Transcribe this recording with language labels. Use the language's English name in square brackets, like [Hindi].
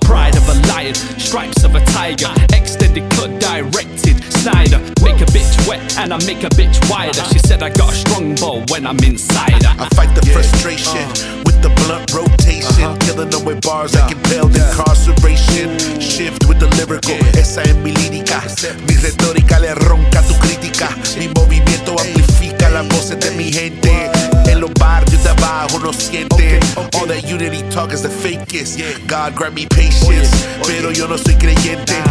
[English] Pride of a lion, stripes of a tiger. Extended cut, directed, Snyder. Make a bitch wet, and I make a bitch wider. She said I got a strong bow when I'm inside her. I fight the frustration with the blunt rotation. Killing them with bars like impaled incarceration. Shift with the lyrical, [Spanish] esa es mi lírica. Mi retórica le ronca tu crítica. Mi movimiento amplifica las voces de mi gente. En los barrios de abajo no siente. [English] All that unity talk is the fakest. God grant me patience, [Spanish] pero yo no soy creyente.